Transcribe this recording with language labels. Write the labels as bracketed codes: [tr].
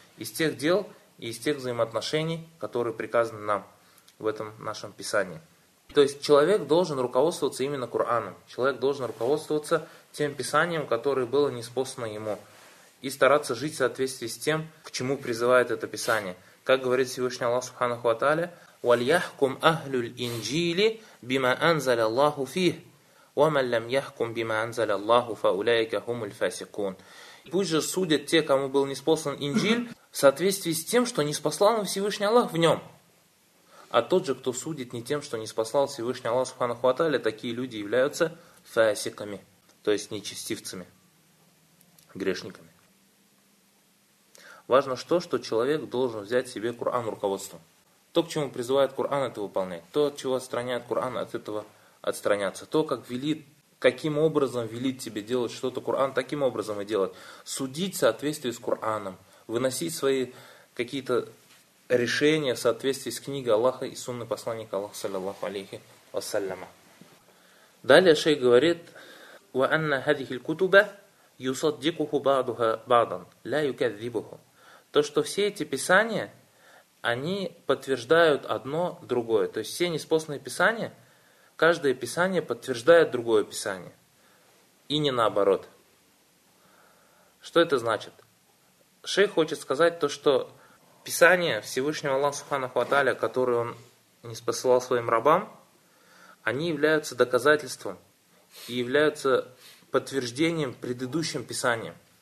[ru] Из тех дел и из тех взаимоотношений, которые приказаны нам в этом нашем писании. То есть человек должен руководствоваться именно Кораном. Человек должен руководствоваться тем писанием, которое было ниспослано ему. И стараться жить в соответствии с тем, к чему призывает это писание. Как говорит Всевышний Аллах Субханаху ва Тааля, [ar] وَلْيَحْكُمْ أَهْلُ الْإِنْجِيلِ بِمَا أَنْزَلَ اللَّهُ فِيهِ وَمَنْ لَمْ يَحْكُمْ بِمَا أَنْزَلَ اللَّهُ فَأُولَئِكَ هُمُ الْفَاسِقُونَ. [ru] Пусть же судят те, кому был ниспослан Инджиль, в соответствии с тем, что ниспослал им Всевышний Аллах в нем. А тот же, кто судит не тем, что ниспослал Всевышний Аллах, Субханаху ва Тааля, такие люди являются фасиками, то есть нечестивцами, грешниками. Важно то, что человек должен взять себе Коран руководством. То, к чему призывает Коран, это выполнять. То, от чего отстраняет Коран, от этого отстраняться. То, как велит, каким образом велит тебе делать что-то Коран, таким образом и делать. Судить в соответствии с Кораном. Выносить свои какие-то решения в соответствии с книгой Аллаха и сунны посланника Аллаха, саллиллаху алейхи вассаляма. Далее шейх говорит, [ar] وَأَنَّ هَذِهِ الْكُتُبَ يُصَدِّقُهُ بَعْدُهَ بَعْدًا لَا يُكَذِّبُهُ. [ru] То, что все эти писания, они подтверждают одно другое. То есть все ниспосланные писания, каждое писание подтверждает другое писание. И не наоборот. Что это значит? Шейх хочет сказать то, что писания Всевышнего Аллаха Субханаху ва Тааля, которые он ниспосылал своим рабам, они являются доказательством и являются подтверждением предыдущим писаниям.